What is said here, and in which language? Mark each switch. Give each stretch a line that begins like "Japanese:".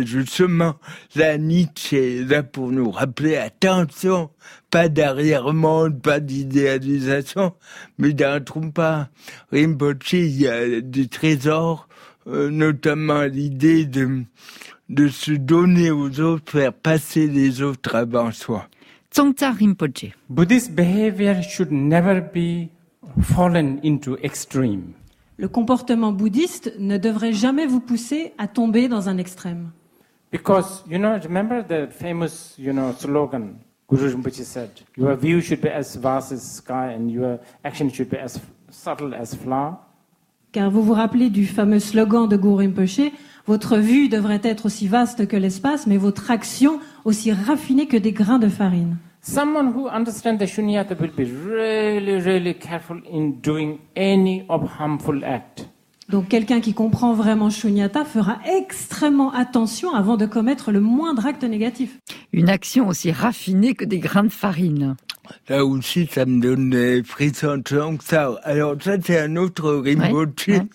French: Et justement, la Nietzsche est là pour nous rappeler, attention, pas d'arrière-monde, pas d'idéalisation, mais d'un trompa. Rinpoche, il y a du trésor, notamment l'idée de se donner aux autres, faire passer les autres avant soi. Tsongtsang Rinpoche.
English: Buddhist behavior should never be fallen into extreme.
French: Le comportement bouddhiste ne devrait jamais vous pousser à tomber dans un extrême.
English: Because, you know, remember the famous, you know, slogan Guru Rinpoche said, your view should be as vast as sky and your action should be as subtle as flower.
French: Car vous vous rappelez du fameux slogan de Guru Rinpoche, votre vue devrait être aussi vaste que l'espace, mais votre action aussi raffinée que des grains de farine.
English: Someone who understands the shunyata will be really, really careful in doing any of harmful act.
French: Donc quelqu'un qui comprend vraiment shunyata fera extrêmement attention avant de commettre le moindre acte négatif. Une action aussi raffinée que des grains de farine. Là aussi, ça me donne des frissons de Tsongtsang. Alors ça, c'est un autre Rinpoche.